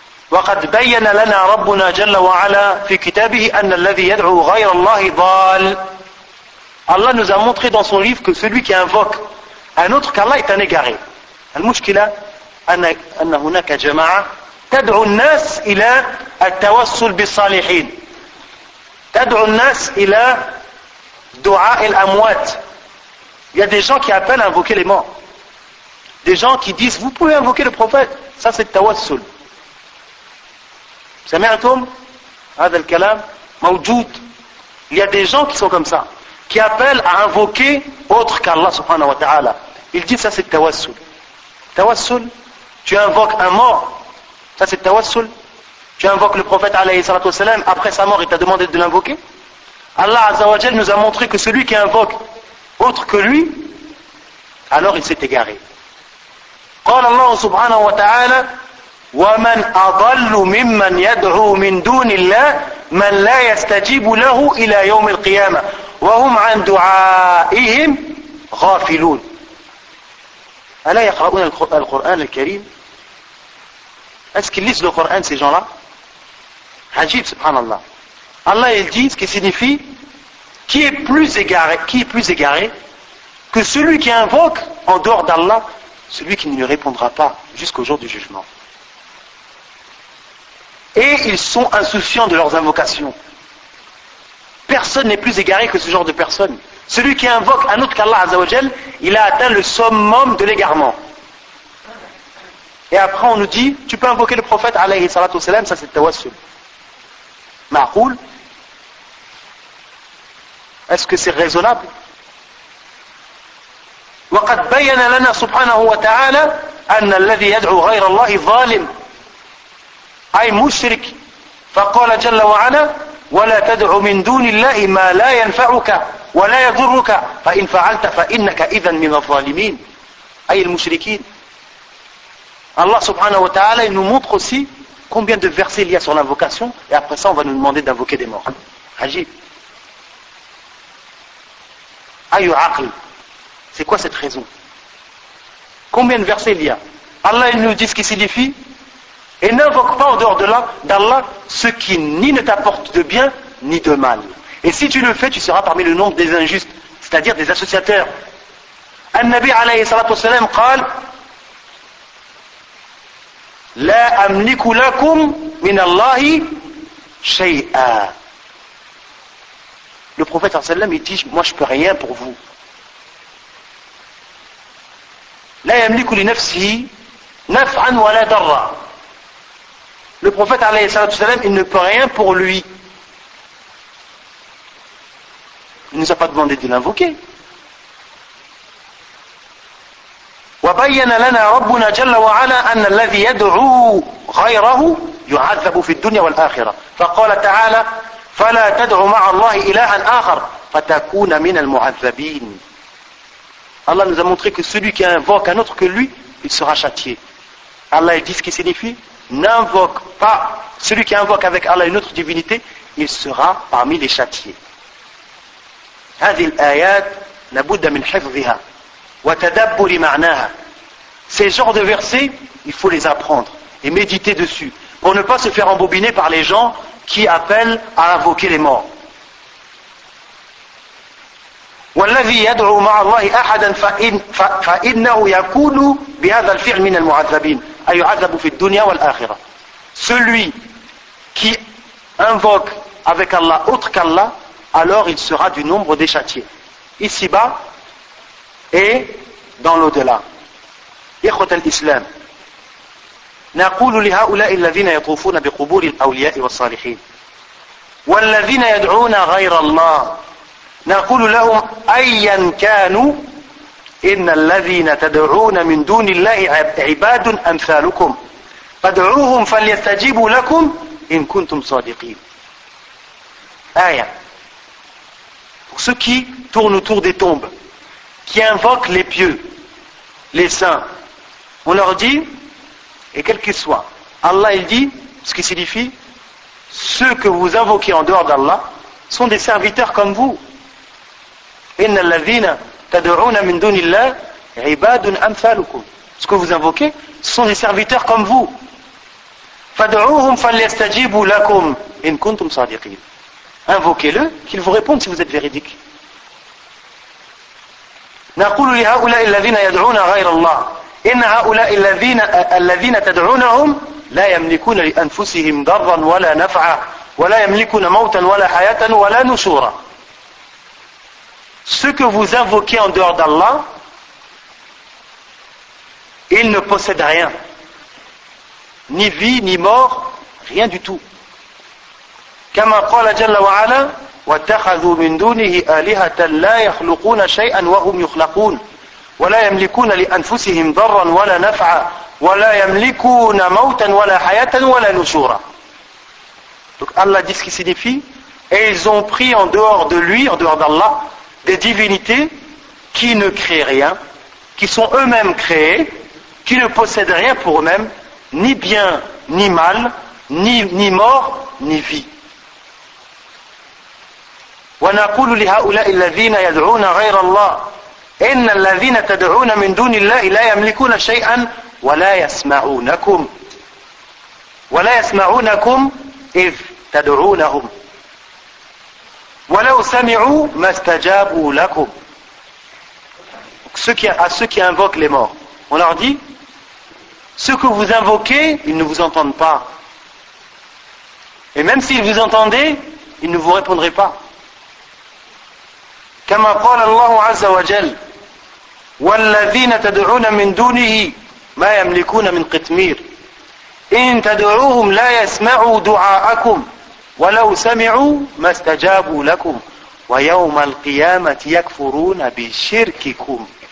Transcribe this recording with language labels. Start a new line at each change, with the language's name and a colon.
Arabic: وقد بين لنا ربنا جل وعلا في كتابه أن الذي يدعو غير الله ضال.
French: Allah nous a montré dans son livre que celui qui invoque un autre qu'Allah est un égaré.
Arabic: المشكلة أن هناك جماعة تدعو الناس إلى التوسل بالصالحين. تدعو الناس إلى دعاء الأموات.
French: Il y a des gens qui appellent à invoquer les morts. Des gens qui disent, vous pouvez invoquer le prophète. Ça c'est التوسل.
Arabic: سمعتم هذا الكلام موجود.
French: Il y a des gens qui sont comme ça, qui appellent à invoquer autre qu'Allah subhanahu wa ta'ala. Il dit ça c'est tawassul. Tawassul, tu invoques un mort, ça c'est tawassul. Tu invoques le prophète alayhi salatu wa salam, après sa mort il t'a demandé de l'invoquer. Allah azza wa jal nous a montré que celui qui invoque autre que lui, alors il s'est égaré.
Arabic: قال الله subhanahu wa ta'ala وَمَنْ أَضَلُّ مِمَّنْ يَدْعُو مِنْ دُونِ اللَّهِ مَنْ لَا يَسْتَجِيبُ لَهُ إِلَى يَوْمِ الْقِيَامَةِ وَهُمْ عَنْ دُعَائِهِمْ غَافِلُونَ. أَلَا يَقْرَؤُونَ الْقُرْآنَ الْكَرِيمَ.
French: Est-ce qu'ils lisent le Coran ces gens-là? Hajib, subhanallah. Allah il dit, ce qui signifie qui est plus égaré que celui qui invoque en dehors d'Allah, celui qui ne lui répondra pas jusqu'au jour du jugement. Et ils sont insouciants de leurs invocations. Personne n'est plus égaré que ce genre de personne. Celui qui invoque un autre qu'Allah Azza wa Jal, il a atteint le summum de l'égarement. Et après on nous dit, tu peux invoquer le prophète alayhi salatu wa salam, ça c'est tawassul. Ma'koul. Est-ce que c'est raisonnable?
Arabic: وَقَدْ بَيَّنَ لَنَا سُبْحَانَهُ وَتَعَالَى أَنَّ الَّذِي يَدْعُ غَيْرَ اللَّهِ ظَالِمُ أي مشرك. فقال جل وعلا ولا تدع من دون الله ما لا ينفعك ولا يضرك فإن فعلت فإنك إذا من الظالمين. أي المشركين.
French: الله سبحانه وتعالى il nous montre aussi combien de versets il y a sur l'invocation et après ça on va nous demander d'invoquer des morts.
Arabic: عجيب. أي عقل.
French: C'est quoi cette raison? Combien de versets il y a? Allah il nous dit ce qui signifie. Et n'invoque pas en dehors d'Allah ce qui ni ne t'apporte de bien ni de mal. Et si tu le fais, tu seras parmi le nombre des injustes, c'est-à-dire des associateurs.
Arabic: An-Nabi alayhi salatu wasalam قال لا أملك لكم من الله شيئا.
French: Le prophète sallallahu alayhi wasalam il dit moi je peux rien pour vous.
Arabic: لا يملك لنفسه نفعا ولا ضرا.
French: Le prophète alayhi salatu wasalam il ne peut rien pour lui. Il ne nous a pas demandé de l'invoquer.
Arabic: وبين لنا ربنا جل وعلا ان الذي يدعو غيره يعذب في الدنيا والاخره فقال تعالى فلا تدع مع الله الها اخر فتكون من المعذبين.
French: Allah nous a montré que celui qui invoque un autre que lui, il sera châtié. Allah dit ce qui signifie n'invoque pas celui qui invoque avec Allah une autre divinité, il sera parmi les châtiés.
Arabic: هذه الايات لابد من حفظها وتدبر معناها.
French: Ces genres de versets, il faut les apprendre et méditer dessus pour ne pas se faire embobiner par les gens qui appellent à invoquer les morts.
Arabic: والذي يدعو مع الله احدا فانه يكون بهذا الفعل من المعذبين اي يعذب في الدنيا والاخره.
French: Celui qui invoque avec Allah autre qu'Allah, alors il sera du nombre des châtiés ici-bas et dans l'au-delà.
Arabic: إخوة الإسلام نقول لهؤلاء الذين يطوفون بقبور الأولياء والصالحين والذين يدعون غير الله نقول لهم أيا كانوا إن الذين تدعون من دون الله عباد أمثالكم فادعوهم فليستجيبوا لكم إن كنتم صادقين. آية.
French: Pour ceux qui tournent autour des tombes, qui invoquent les pieux, les saints, on leur dit, et quel qu'il soit, Allah il dit, ce qui signifie, ceux que vous invoquez en dehors d'Allah sont des serviteurs comme vous.
Arabic: إِنَّ الَّذِينَ تَدْعُونَ مِنْ دُونِ اللَّهِ عِبَادٌ أَمْثَالُكُمْ.
French: Ce que vous invoquez, ce sont des serviteurs comme vous.
Arabic: فَدْعُوهُمْ فَلْيَسْتَجِيبُوا لَكُمْ إِنْ كُنْتُمْ صَادِقِينَ.
French: Invoquez-le, qu'ils vous répondent si vous êtes véridiques.
Arabic: نَقُولُ لِهَؤُلَاءِ الَّذِينَ يَدْعُونَ غَيْرَ اللَّهِ إن هؤلاء الذين تدعونهم لا يملكون لأنفسهم ضرا ولا نفعا ولا يملكون موتا ولا حياة ولا نشورا.
French: Ce que vous invoquez en dehors d'Allah, il ne possède rien, ni vie ni mort, rien du tout.
Arabic: كما قال جل وعلا واتخذوا من دونه آلهة لا يخلقون شيئا وهم يخلقون ولا يملكون لأنفسهم ضرا ولا نفعا ولا يملكون موتا ولا حياة ولا نشورا.
French: Donc Allah dit ce qui signifie, et ils ont pris en dehors de lui, en dehors d'Allah, des divinités qui ne créent rien, qui sont eux-mêmes créés, qui ne possèdent rien pour eux-mêmes, ni bien, ni mal, ni mort, ni vie.
Arabic: ونقول لهؤلاء الذين يدعون غير الله إن الذين تدعون من دون الله لا يملكون شيئا ولا يسمعونكم ولا يسمعونكم إذ تدعونهم ولو سمعوا ما استجابوا لكم.
French: À ceux qui invoquent les morts, on leur dit ce que vous invoquez, ils ne vous entendent pas. Et même s'ils vous entendaient, ils ne vous répondraient pas.
Arabic: كما قال الله عز وجل والذين تدعون من دونه ما يملكون من قتمير إن تدعوهم لا يسمعوا دعاءكم ولو سمعوا ما استجابوا لكم ويوم القيامة يكفرون بشرككم.